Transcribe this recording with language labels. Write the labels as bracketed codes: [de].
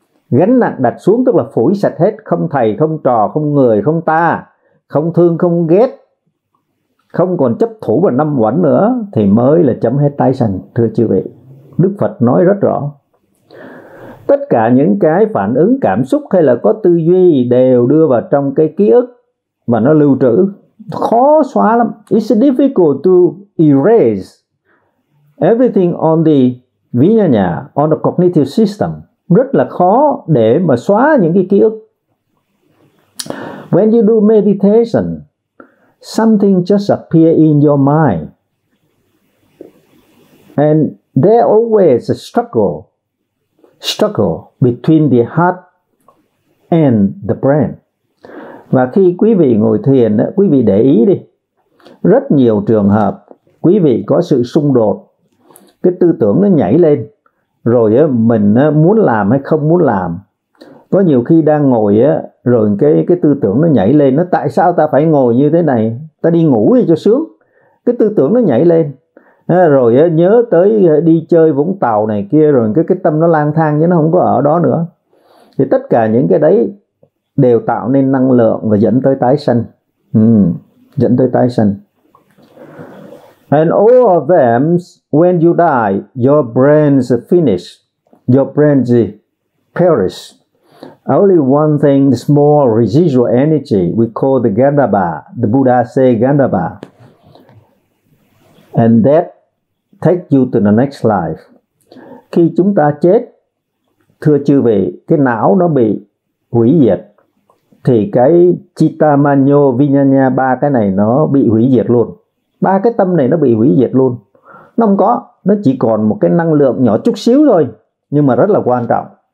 [vi] Gánh nặng đặt xuống, tức là phủi sạch hết, không thầy, không trò, không người, không ta, không thương, không ghét, không còn chấp thủ và năm uẩn nữa, thì mới là chấm hết tái sanh. Thưa chư vị, Đức Phật nói rất rõ, tất cả những cái phản ứng cảm xúc hay là có tư duy đều đưa vào trong cái ký ức mà nó lưu trữ, khó xóa lắm. [en] It's difficult to erase everything on the vinyana, on the cognitive system. [vi] Rất là khó để mà xóa những cái ký ức. [en] When you do meditation, something just appear in your mind. And there always a struggle between the heart and the brain. [vi] Và khi quý vị ngồi thiền, quý vị để ý đi. Rất nhiều trường hợp, quý vị có sự xung đột, cái tư tưởng nó nhảy lên, rồi mình muốn làm hay không muốn làm. Có nhiều khi đang ngồi, rồi cái tư tưởng nó nhảy lên, nó tại sao ta phải ngồi như thế này, ta đi ngủ đi cho sướng. Cái tư tưởng nó nhảy lên, rồi nhớ tới đi chơi Vũng Tàu này kia, rồi cái tâm nó lang thang, chứ nó không có ở đó nữa. Thì tất cả những cái đấy đều tạo nên năng lượng và dẫn tới tái sanh. Dẫn tới tái sanh. [en] And all of them, when you die, your brains finish, your brains perish. Only one thing, small residual energy, we call the Gandhaba, the Buddha say Gandhaba. And that takes you to the next life. [vi] Khi chúng ta chết, thưa chư vị, cái não nó bị hủy diệt, thì cái Chittamanyo Vinyana, ba cái này nó bị hủy diệt luôn. Ba cái tâm này nó bị hủy diệt luôn. Nó không có, nó chỉ còn một cái năng lượng nhỏ chút xíu thôi, nhưng mà rất là quan trọng.